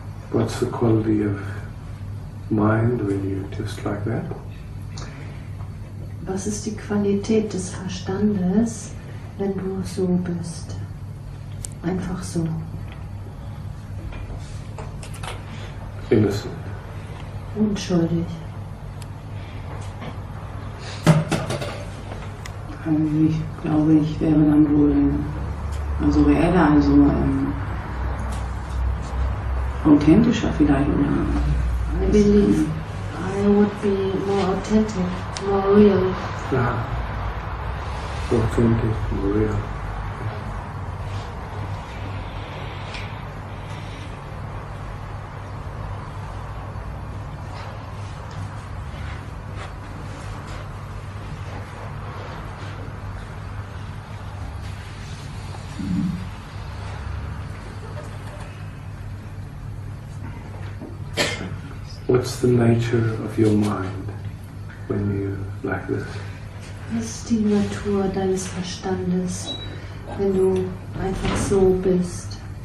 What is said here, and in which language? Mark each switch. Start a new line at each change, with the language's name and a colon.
English: What's the quality of mind when you just like that?
German: Was ist die Qualität des Verstandes, wenn du so bist? Einfach so.
English: Innocent.
German: Unschuldig. Also ich glaube, ich wäre dann wohl also reeller, also authentischer vielleicht. Oder
English: I believe I would be more authentic, more real. Ja, authentic, real. What's the nature of your mind when you like this?
German: Was ist die Natur deines Verstandes, wenn du einfach so bist?